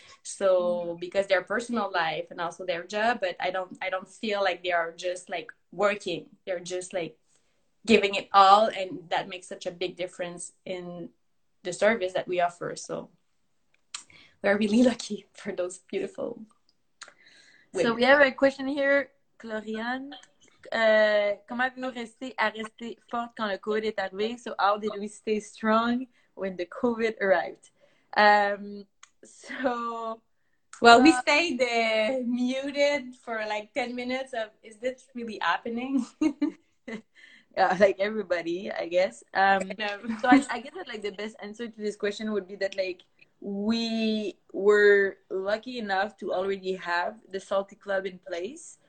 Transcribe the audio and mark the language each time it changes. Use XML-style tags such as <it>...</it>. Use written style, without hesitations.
<en>So because their personal life and also their job, but I don't feel like they are just like working. They're just like giving it all, and that makes such a big difference in the service that we offer. So we're really lucky for those beautiful women. So we have a question here, Gloriane.</en> <fr>Comment avez-vous resté forte quand le COVID est arrivé?</fr> <en>So how did we stay strong when the COVID arrived? So we stayed muted for like 10 minutes of, is this really happening? Yeah, like everybody, I guess. So I guess that like the best answer to this question would be that like we were lucky enough to already have the Salty Club in place.</en>